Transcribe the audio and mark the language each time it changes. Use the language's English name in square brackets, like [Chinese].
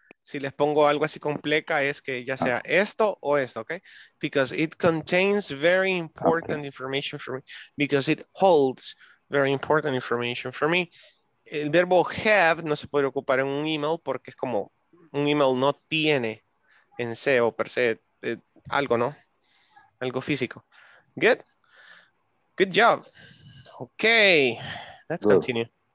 [Spanish] Si les pongo algo así con pleca es que ya sea esto o esto, okay? [English] Because it contains very important information for me. Because it holds very important information for me. [Spanish] El verbo have no se puede ocupar en un email porque es como un email no tiene en se o per se algo, ¿no? Algo físico. [English] Good. Good job. Okay, let's continue.